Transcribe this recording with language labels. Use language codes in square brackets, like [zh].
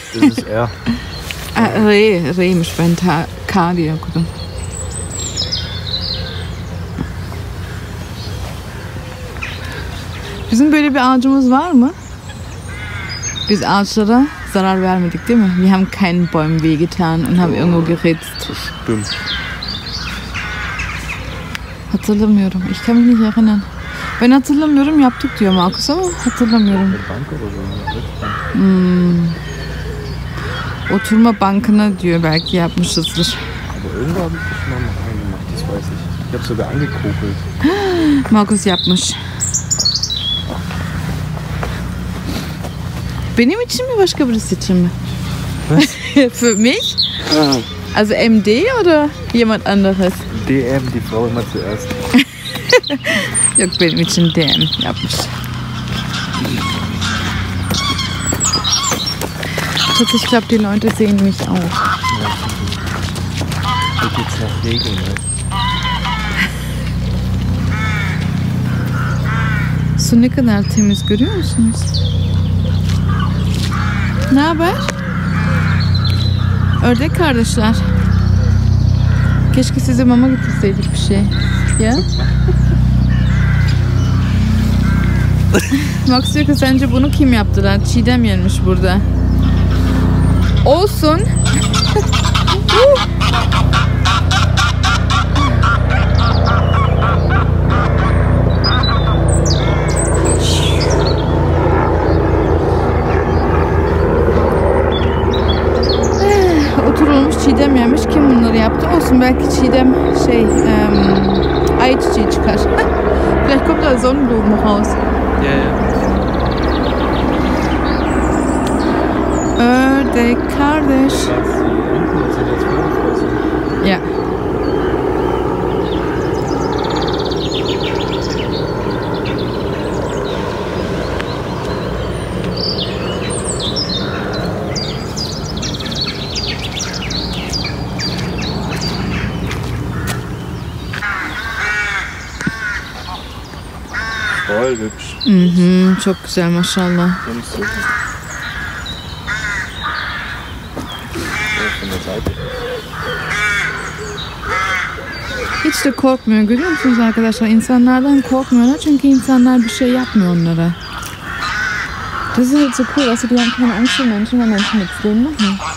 [de] Das ist [tr] R. R'ymiş, ben K diye okudum. Bizim böyle bir ağacımız var mı? Biz ağaçlara zarar vermedik değil mi? [de] Wir haben keinen Bäumen weh getan und haben irgendwo geritzt. Stimmt. [tr] Hatırlamıyorum. [de] Ich kann mich nicht erinnern. [tr] Ben hatırlamıyorum, yaptık diyor Markus ama hatırlamıyorum. Oturma bankına diyor, belki yapmışızdır. Markus yapmış. Benim için mi, başka birisi için mi? [de] Was? Für mich? Also MD oder jemand anderes? DM, die Frau immer zuerst. [tr] Yok, benim için DM yapmış. [de] Schatz, ich glaube, die Leute sehen mich auch. Ja, ich jetzt nach Regeln, ne? [tr] So, ne kadar temiz görüyor musunuz? Ne haber? Ördek kardeşler. Keşke size mama getirseydik bir şey. Ya? Max diyor ki sence bunu kim yaptılar? Çiğdem yenmiş burada. Olsun. Çiğdem yemiş. Kim bunları yaptı? Olsun, belki Çiğdem şey ay çiçeği çıkar. [de] Vielleicht kommt da Sonnenblumen raus. [en] Yeah. [tr] Ördek kardeş. Ya. Yeah. güzel demiş. Hı hı, çok güzel maşallah. Hiç de korkmuyor, görüyor musunuz arkadaşlar? İnsanlardan korkmuyorlar çünkü insanlar bir şey yapmıyor onlara. Das ist halt so cool, dass du dann keine Angst vor Menschen, wenn Menschen nichts tun machen.